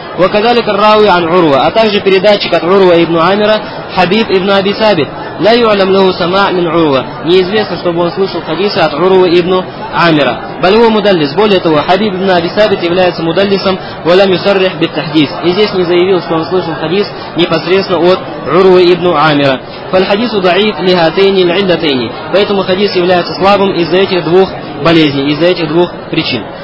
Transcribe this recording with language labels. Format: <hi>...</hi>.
<ru>Ваказали карравы ан Урва. А также передатчик от Урва ибн Амира, Хабиб ибн Аби Сабит.</ru> <ar>لا يعلم له سماع من عروة.</ar> <ru>Неизвестно, чтобы он слышал хадисы от Урвы ибн Амира.</ru> <ar>بل هو مدلس.</ar> <ru>Более того, Хабиб ибн Аби Сабит является мудаллисом,</ru> <ar>ولم يصرح بالتحديث.</ar> <ru>И здесь не заявил, что он слышал хадис непосредственно от Урвы ибн Амира.</ru> <ar>فالحديث ضعيف لهاتين العلتين.</ar> <ru>Поэтому хадис является слабым из-за этих двух болезней, из-за этих двух причин.</ru>